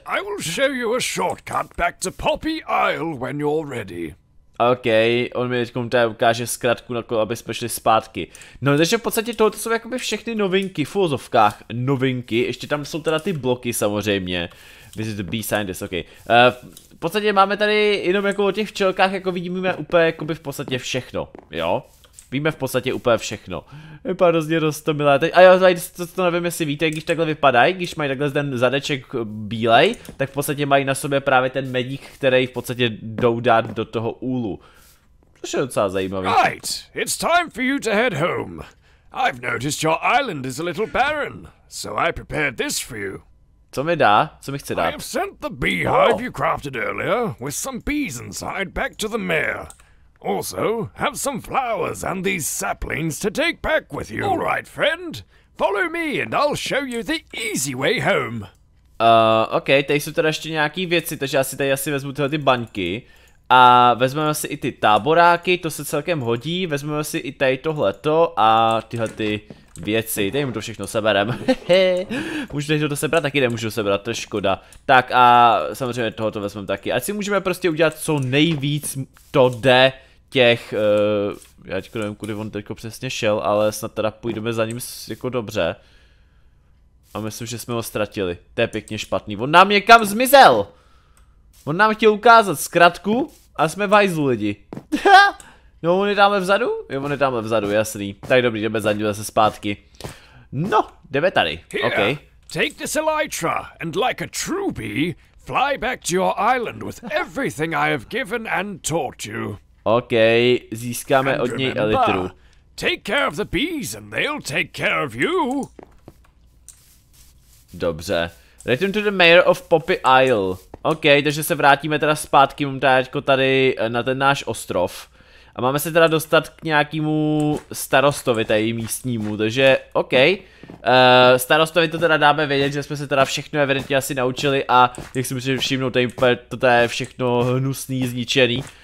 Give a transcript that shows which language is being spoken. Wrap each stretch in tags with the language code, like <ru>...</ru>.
<en>I will show you a shortcut back to Poppy Isle when you're ready.</en> <cs>Okej, on mi teďkom tady ukáže zkratku, aby jsme šli zpátky. No, takže v podstatě tohoto jsou jakoby všechny novinky, v fulzovkách novinky, ještě tam jsou teda ty bloky samozřejmě.</cs> <en>Visit the bee scientist,</en> <cs>okej. V podstatě máme tady jenom jako o těch včelkách, jako vidíme úplně jakoby v podstatě všechno, jo? Víme v podstatě úplně všechno. Vypadá hrozně roztomilé. A jo, to nevím, jestli víte, když takhle vypadají, když mají takhle ten zadeček bílej, tak v podstatě mají na sobě právě ten medík, který v podstatě jdou dát do toho úlu. Což je docela zajímavý.</cs> <en>Right, it's time for you to head home. I've noticed your island is a little barren, so I prepared this for you.</en> <cs>Co mi dá? Co mi chce dát?</cs> <en>I have sent the beehive you crafted earlier with some bees inside back to the mayor. Also, have some flowers and these saplings to take back with you. All right, friend. Follow me and I'll show you the easy way home.</en> <cs>Okay, tady jsou teda ještě nějaký věci, takže asi vezmu tyhle ty baňky. A vezmeme si i ty táboráky, to se celkem hodí. Vezmeme si i tady tohleto a tyhle ty věci. Tady mu to všechno seberem. Můžu tady to sebrat? Taky nemůžu sebrat, to je škoda. Tak a samozřejmě tohoto vezmeme taky. Ať si můžeme prostě udělat co nejvíc to jde. Těch, já teďko nevím, kudy on teďko přesně šel, ale snad teda půjdeme za ním jako dobře. A myslím, že jsme ho ztratili. To je pěkně špatný. On nám někam zmizel! On nám chtěl ukázat zkratku a jsme v hajzlu lidi. No, on je tamhle vzadu? Jo, on je tamhle vzadu, jasný. Tak dobrý, jdeme za ním zase zpátky. No, jdeme tady, okej.</cs> <en>Okay. Take this elytra and like a true bee, fly back to your island with everything I have given and taught you.</en> <cs>Okej, okay, získáme</cs> <en>and</en> <cs>od něj elytru.</cs> <en>Take care of the bees and they'll take care of you. Dobře. Return to the mayor of Poppy Isle.</en> <cs>OK, takže se vrátíme teda zpátky, mám teďko tady na ten náš ostrov. A máme se teda dostat k nějakému starostovi tady místnímu, takže OK. Starostovi to teda dáme vědět, že jsme se teda všechno evidentně asi naučili a jak si musím všimnout, to je všechno hnusný, zničený.</cs>